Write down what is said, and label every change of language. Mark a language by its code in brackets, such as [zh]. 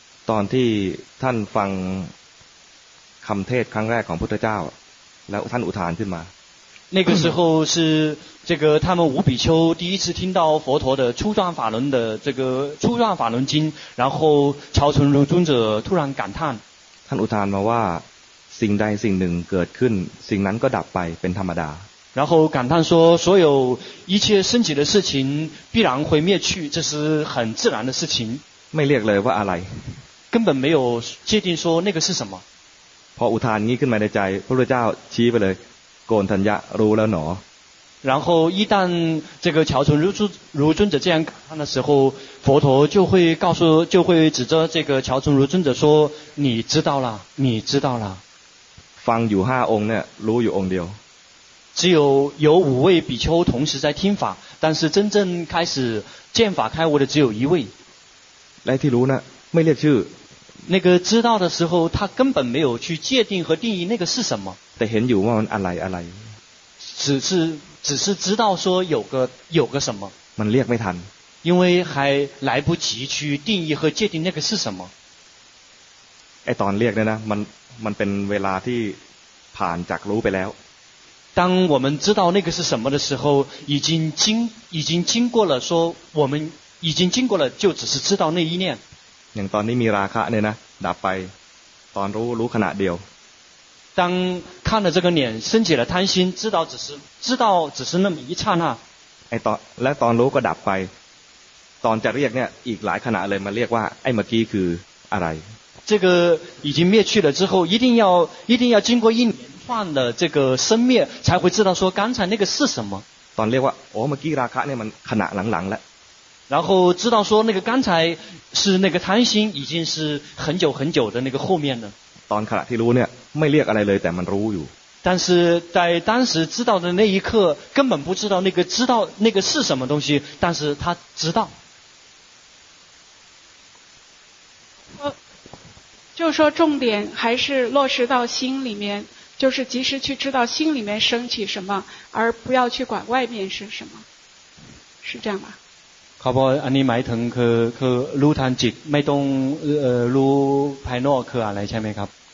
[th] ตอนที่ท่านฟังคำเทศครั้งแรกของพุทธเจ้าแล้วท่านอุทานขึ้นมา [zh] 那个时候是这个他们五比丘第一次听到佛陀的初转法轮的这个初转法轮经，然后朝臣如尊者突然感叹。 [th] ท่านอุทานมาว่าสิ่งใดสิ่งหนึ่งเกิดขึ้นสิ่งนั้นก็ดับไปเป็นธรรมดา。 [zh] 然后感叹说，所有一切升起的事情必然会灭去，这是很自然的事情。 [th] ไม่เรียกเลยว่าอะไร。 [zh] 根本没有界定说那个是什么。 [th] พออุทานนี้ขึ้นมาในใจพระเจ้าชี้ไปเลยโกนธัญญะรู้แล้วหน [zh] อ然后一旦这个乔成如尊者这样感叹的时候佛陀就会告诉就会指着这个乔成如尊者说你知道了你知道了 [th] ฟังอยู่5องค์เนี่ยรู้อยู่องค์เดียว [zh] 只有5位比丘同时在听法但是真正开始见法开悟的只有1位 [th] 来ที่รู้นะไม่เรียกชื่อ [zh] 那个知道的时候他根本没有去界定和定义那个是什么 [th] แต่เห็นอยู่ว่ามันอะไรอะไร [zh] 只是知道说有个什么 [th] มันเรียกไม่ทัน [zh] 因为还来不及去定义和界定那个是什么 [th] ไอตอนเรียกเนี่ยนะมันเป็นเวลาที่ผ่านจากรู้ไปแล้ว [zh] 当我们知道那个是什么的时候已经经过了说我们已经经过了就只是知道那一念 [th] อย่างตอนนี้มีราคะเนี่ยนะดับไปตอนรู้ขณะเดียว [zh] 当看了这个脸升起了贪心知道只是那么一刹那 [th] ไอ้ตอนและตอนรู้ก็ดับไปตอนจะเรียกเนี่ยอีกหลายขณะเลยมาเรียกว่าไอ้เมื่อกี้คืออะไร [zh] 这个已经灭去了之后一定要经过一连串的这个生灭才会知道说刚才那个是什么 [th] ตอนเรียกว่าโอ้เมื่อกี้ราคะเนี่ยมันขณะหลังๆแล้ว [zh] 然后知道说那个刚才是那个贪心已经是很久很久的那个后面了 [th] ตอนขณะที่รู้เนี่ยไม่เรียกอะไรเลยแต่มันรู้อยู่ [zh] 但是在当时知道的那一刻根本不知道那个知道那个是什么东西但是他知道就说重点还是落实到心里面就是及时去知道心里面升起什么而不要去管外面是什么是这样吧 [th] ครับอันนี้หมายถึงคือรู้ทันจิตไม่ต้องรู้ภายนอกคืออะไรใช่ไหมครับ